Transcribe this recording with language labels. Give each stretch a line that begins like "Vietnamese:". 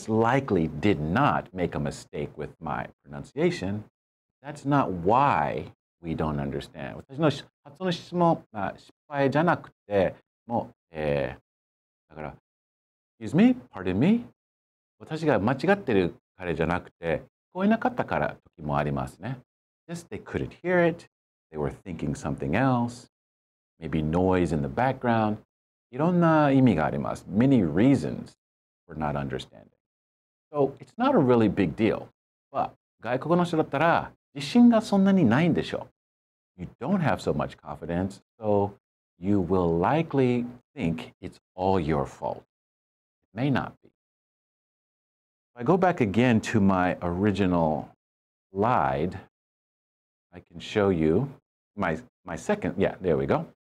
English: Most likely did not make a mistake with my pronunciation. That's not why we don't understand.
Japanese: 私の発音の質問が失敗じゃなくて、もう、だから、
English: Excuse me? Pardon me?
Japanese: 私が間違ってるからじゃなくて、聞こえなかったから時もありますね。
English: Just they couldn't hear it. They were thinking something else. Maybe noise in the background.
Japanese: いろんな意味があります。
English: Many reasons. For not understanding. So it's not a really big deal. But
Japanese: 外国の人だったら自信がそんなにないんでしょう。
English: You don't have so much confidence, so you will likely think it's all your fault. It may not be. If I go back again to my original slide, I can show you my second. Yeah, there we go.